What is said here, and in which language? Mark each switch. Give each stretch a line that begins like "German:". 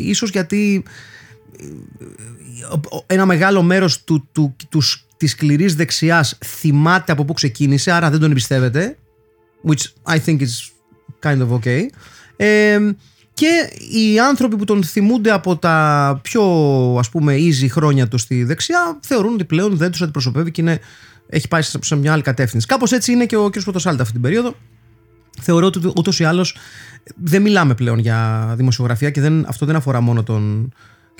Greek: Ίσως γιατί ένα μεγάλο μέρος της σκληρής δεξιάς θυμάται από πού ξεκίνησε, άρα δεν τον εμπιστεύεται.
English: Which I think is kind of okay.
Greek: Και οι άνθρωποι που τον θυμούνται από τα πιο, ας πούμε, easy χρόνια του στη δεξιά θεωρούν ότι πλέον δεν τους αντιπροσωπεύει και έχει πάει σε μια άλλη κατεύθυνση. Κάπως έτσι είναι και ο κ. Πρωτοσάλτα αυτή την περίοδο. Θεωρώ ότι ούτως ή άλλως δεν μιλάμε πλέον για δημοσιογραφία και αυτό δεν αφορά μόνο τον κ.